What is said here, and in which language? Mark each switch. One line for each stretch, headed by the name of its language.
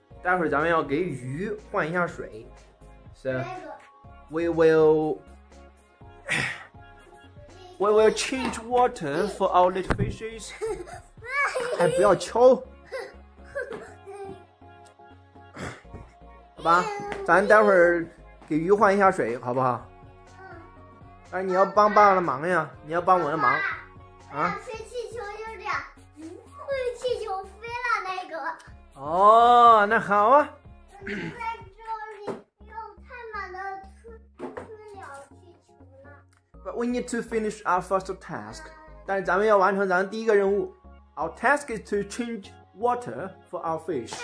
Chinese: 待会儿咱们要给鱼换一下水。
English: So, we will change water for our little fishes.
Chinese: 哎，不要敲。好吧，咱待会儿给鱼换一下水，好不好？哎，你要帮爸爸的忙呀，你要帮我的忙。啊，吹气球就是这样，吹气球飞了那个。哦，那好啊。在这里用太满的吹鸟气球呢。
English: But we need to finish our first task.
Chinese: 但是咱们要完成咱们第一个任务。
English: Our task is to change water for our fish.